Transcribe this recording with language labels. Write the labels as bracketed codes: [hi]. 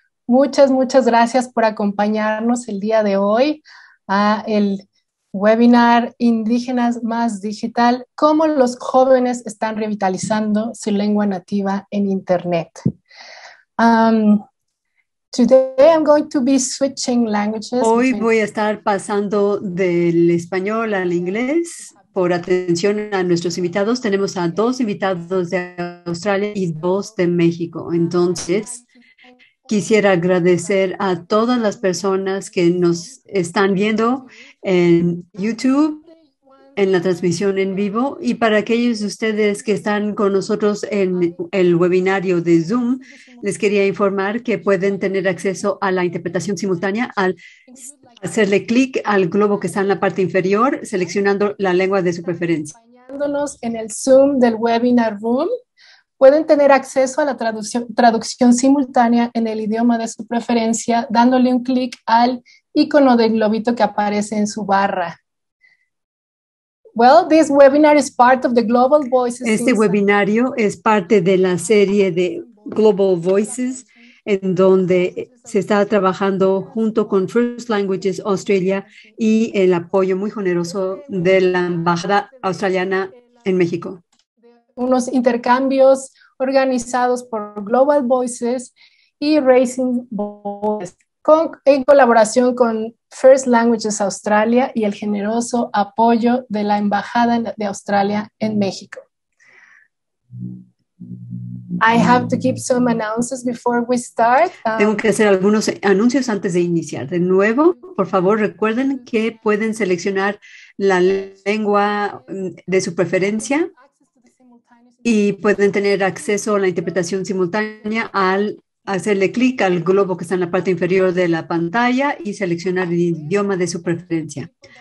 [es] Muchas, muchas gracias por acompañarnos el día de hoy a el webinar Indígenas Más Digital, cómo los jóvenes están revitalizando su lengua nativa en Internet. [en] Today I'm going to be switching languages. [es] Hoy voy a estar pasando del español al inglés. Por atención a nuestros invitados, tenemos a dos invitados de Australia y dos de México. Entonces, quisiera agradecer a todas las personas que nos están viendo en YouTube, en la transmisión en vivo, y para aquellos de ustedes que están con nosotros en el webinario de Zoom, les quería informar que pueden tener acceso a la interpretación simultánea al hacerle clic al globo que está en la parte inferior, seleccionando la lengua de su preferencia. Acompañándonos en el Zoom del Webinar Room, pueden tener acceso a la traducción simultánea en el idioma de su preferencia, dándole un clic al icono del globito que aparece en su barra. [en] Well, this webinar is part of the Global Voices. [es] Este webinario es parte de la serie de Global Voices, en donde se está trabajando junto con First Languages Australia y el apoyo muy generoso de la Embajada Australiana en México. Unos intercambios organizados por Global Voices y Raising Voices en colaboración con First Languages Australia y el generoso apoyo de la Embajada de Australia en México. [en] I have to keep some announcements before we start. [es] Tengo que hacer algunos anuncios antes de iniciar. De nuevo, por favor, recuerden que pueden seleccionar la lengua de su preferencia y pueden tener acceso a la interpretación simultánea al hacerle clic al globo que está en la parte inferior de la pantalla y seleccionar el idioma de su preferencia.